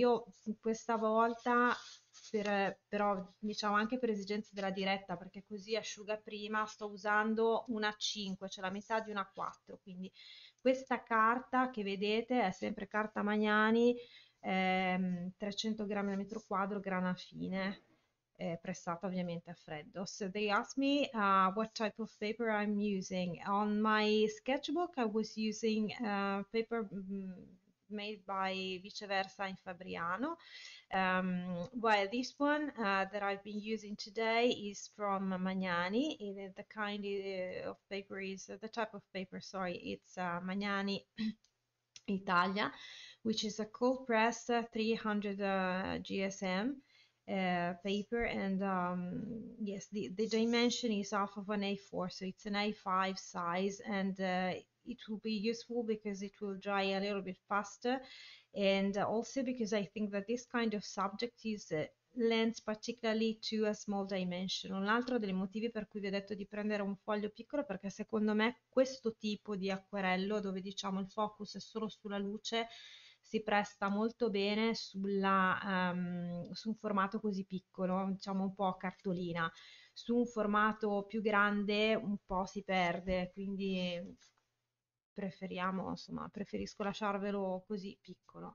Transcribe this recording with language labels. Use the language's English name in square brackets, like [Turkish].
[Italian] Io questa volta, però diciamo anche per esigenze della diretta, perché così asciuga prima, sto usando una 5, cioè la metà di una 4. Quindi questa carta che vedete è sempre carta Magnani, 300 grammi al metro quadro, grana fine. Pressata ovviamente a freddo. [English] So they asked me what type of paper I'm using. On my sketchbook I was using paper made by Viceversa in Fabriano. While this one that I've been using today is from Magnani. The kind of paper is the type of paper, sorry, it's Magnani Italia, which is a cold press 300 GSM paper, and yes, the dimension is half of an A4, so it's an A5 size, and it will be useful because it will dry a little bit faster, and also because I think that this kind of subject is lends particularly to a small dimension. [Italian] Un altro dei motivi per cui vi ho detto di prendere un foglio piccolo, perché secondo me questo tipo di acquerello, dove diciamo il focus è solo sulla luce, si presta molto bene su un formato così piccolo, diciamo un po' a cartolina. Su un formato più grande un po' si perde, quindi preferisco lasciarvelo così piccolo.